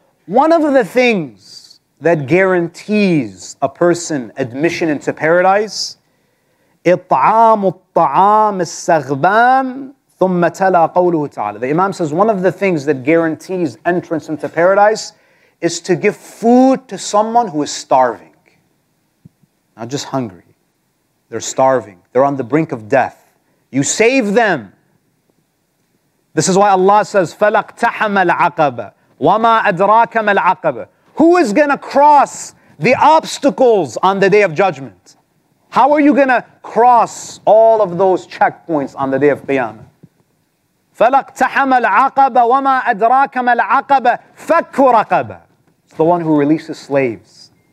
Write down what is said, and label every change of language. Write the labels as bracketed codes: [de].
[en] One of the things that guarantees a person admission into paradise, [ar] إِطْعَامُ الطَّعَامِ السَّغْبَانِ ثُمَّ تَلَى قَوْلُهُ تَعَالَى. [en] The Imam says, one of the things that guarantees entrance into paradise is to give food to someone who is starving. Not just hungry. They're starving. They're on the brink of death. You save them. This is why Allah says, [ar] فَلَقْتَحَمَ الْعَقَبَ وَمَا أَدْرَاكَ مَ الْعَقَبَ. [en] Who is going to cross the obstacles on the Day of Judgment? How are you going to cross all of those checkpoints on the Day of Qiyamah? [ar] فَلَقْتَحَمَ الْعَقَبَ وَمَا أَدْرَاكَ مَ الْعَقَبَ فَكُّ رَقَبَ. [en] It's the one who releases slaves.